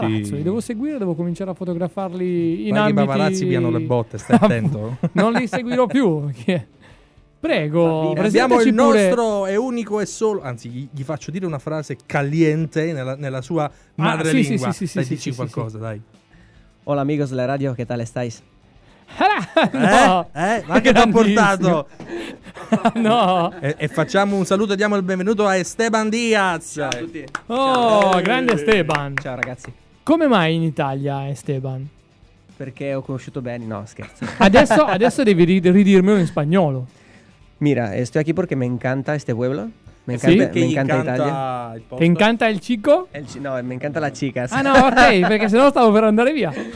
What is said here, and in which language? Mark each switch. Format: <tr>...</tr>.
<it>tutti... il paparazzo, li devo seguire, devo cominciare a fotografarli in Vai ambiti... I paparazzi piano le botte, stai attento. Non li seguirò più. Prego, abbiamo il pure... nostro, è unico e solo... Anzi, gli faccio dire una frase caliente nella sua madrelingua. Ah, sì, dai, dici qualcosa, dai.</it> <es>Hola amigos de la radio, ¿qué tal estáis?</es> <it>No. Ma che ti ha portato? No. E facciamo un saluto e diamo il benvenuto a Esteban Diaz. Ciao a tutti. Oh, ciao. Grande Esteban. Ciao ragazzi. Come mai in Italia, Esteban? Perché ho conosciuto Benny, no scherzo. Adesso devi ridirmelo in spagnolo.</it> <es>Mira, estoy aquí porque me encanta este pueblo. Me encanta, sí, me encanta Italia. Ti encanta el chico? No, me encanta la chica.</es> <it>Ah no, ok, perché sennò stavo per andare via.</it>